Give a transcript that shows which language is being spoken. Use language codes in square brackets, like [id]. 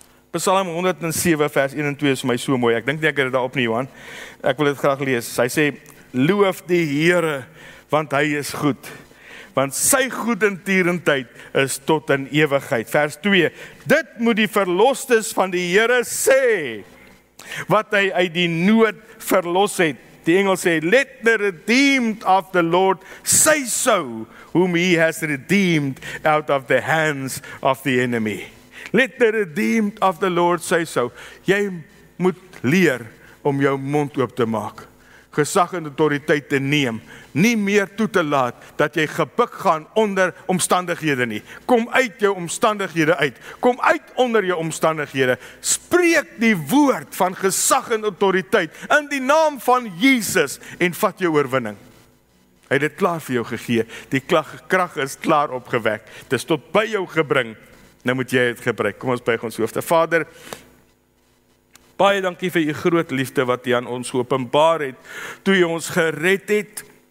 [af] Psalm 107 vers 1 en 2 is my so mooi. Ek dink nie ek het daar op nie, Johan. Ek wil dit graag lees. Hy sê, loof die Here, want hy is goed, want sy goedertierentyd is tot in ewigheid. Vers 2, dit moet die verlostes van die Here sê, wat hy uit die nood verlos het. Die Engels sê, [en] let the redeemed of the Lord say so, whom he has redeemed out of the hands of the enemy. Let the redeemed of the Lord say so. [af] Jy moet leer om jou mond oop te maak. Gesag en autoriteit te neem, nie meer toe te laat, dat jy gebuk gaan onder omstandighede nie. Kom uit jou omstandighede uit, kom uit onder jou omstandighede, spreek die woord van gesag en autoriteit, in die naam van Jesus, en vat jou oorwinning. Hy het dit klaar vir jou gegee, die krag is klaar opgewek, het is tot by jou gebring, nou moet jy het gebruik. Kom ons buig ons hoofde. Vader, baie dankie vir die groot liefde wat jy aan ons geopenbaar het, toe jy ons gered het